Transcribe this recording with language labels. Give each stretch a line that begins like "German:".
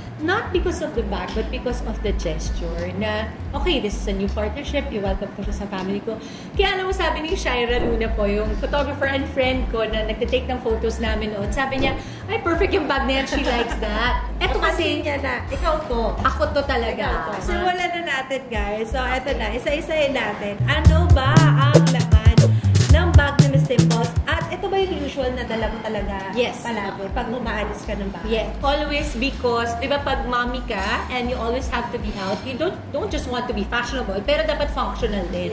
English: Not because of the bag, but because of the gesture. Na, okay, this is a new partnership. You welcome
Filipino: ko siya sa family ko. Kaya alam mo, sabi ni Shaira Luna po, yung
English: photographer and friend
Filipino: ko na nagtitake ng photos namin noon. Sabi niya, ay, perfect yung bag niya.
English: She likes that.
Filipino: Eto kasi, niya na, ikaw to. Ako to talaga. To, so, wala na natin, guys. So, eto na. Isa-isayin natin. Ano ba ang laman ng bag ni Miss Dimples? Ito ba yung usual na dala mo talaga palagi pag umaalis ka ng bahay?
English: Yes. Always, because,
Filipino: di ba pag mommy ka
English: and you always have to be out, you don't just want to be fashionable,
Filipino: pero dapat functional din.